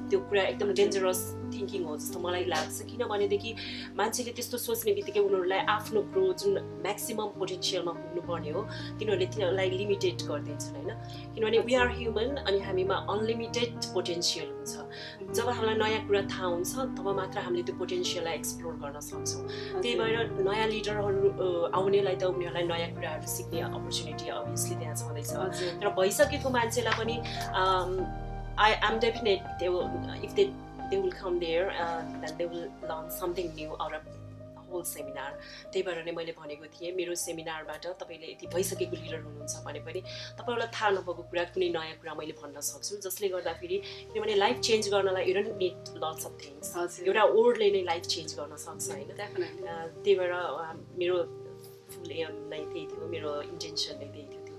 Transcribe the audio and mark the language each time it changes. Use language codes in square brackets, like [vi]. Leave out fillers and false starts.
[ne] त्यो कुरा एकदम डेन्जरस थिङ्किङ हो जस्तो मलाई लाग्छ, किनभनेदेखि मान्छेले त्यस्तो सोच्ने बित्तिकै उनीहरूलाई आफ्नो ग्रो जुन म्याक्सिमम् पोटेन्सियलमा पुग्नुपर्ने हो तिनीहरूले तिनीहरूलाई लिमिटेड गरिदिन्छन् होइन. किनभने [en] we are human [ne] अनि हामीमा अनलिमिटेड पोटेन्सियल हुन्छ. जब हामीलाई नयाँ कुरा थाहा हुन्छ तब मात्र हामीले त्यो पोटेन्सियललाई एक्सप्लोर गर्न सक्छौँ. त्यही भएर नयाँ लिडरहरू आउनेलाई त उनीहरूलाई नयाँ कुराहरू सिक्ने अपर्च्युनिटी अभियसली त्यहाँ छँदैछ. तर भइसकेको मान्छेलाई पनि [en] I'm definite त्यो if they they will come there that they will learn something new out of whole seminar. [ne] त्यही भएर नै मैले भनेको थिएँ मेरो सेमिनारबाट तपाईँले यति भइसकेको लिडर हुनुहुन्छ भने पनि तपाईँहरूलाई थाहा नभएको कुरा कुनै नयाँ कुरा मैले भन्न सक्छु, जसले गर्दाखेरि किनभने लाइफ चेन्ज गर्नलाई [en] You don't need lots of things. [ne] एउटा वर्डले नै लाइफ चेन्ज गर्न सक्छ होइन. त्यही भएर मेरो फुल एम नै त्यही थियो, मेरो इन्टेन्सन नै त्यही थियो.